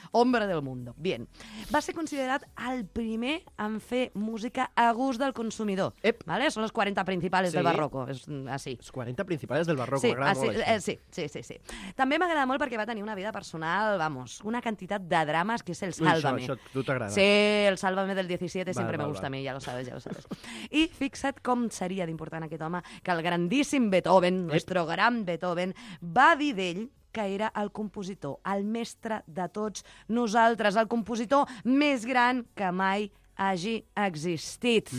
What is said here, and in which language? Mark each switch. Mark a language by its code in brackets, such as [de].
[es] Hombre del mundo. Bien. [ca] Va ser considerat el primer en fer música a gust del consumidor. Ep. [es] ¿Vale? [ca] Són els 40 principals del barroco. És així. Els 40 principals del barroco. Sí, així, sí. També m'agrada molt perquè va tenir una vida personal, vamos, una quantitat de drames que és el... [es] Sálvame. [ca] Això, tu t'agrada. [es] Sí, el Sálvame del 17 sempre me gusta a mi, ja lo sabes, ja lo sabes. [ca] I fixa't com seria d'important aquest home que el grandíssim Beethoven, [es] nuestro gran Beethoven, [ca] va dir d'ell que era el compositor, el mestre de tots nosaltres, el compositor més gran que mai hagi existit.